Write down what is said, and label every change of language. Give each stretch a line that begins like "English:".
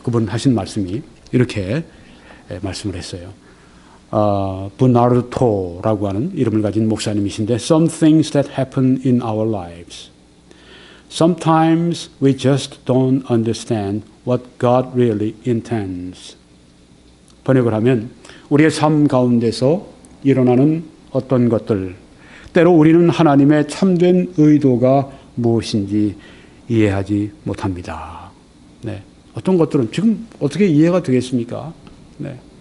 Korean: 그분 하신 말씀이 이렇게 말씀을 했어요. 부나르토라고 하는 이름을 가진 목사님이신데
English: Some things that happen in our lives. Sometimes we just don't understand what God really intends.
Korean: 번역을 하면 우리의 삶 가운데서 일어나는 어떤 것들 때로 우리는 하나님의 참된 의도가 무엇인지 이해하지 못합니다. 네, 어떤 것들은 지금 어떻게 이해가 되겠습니까? 네.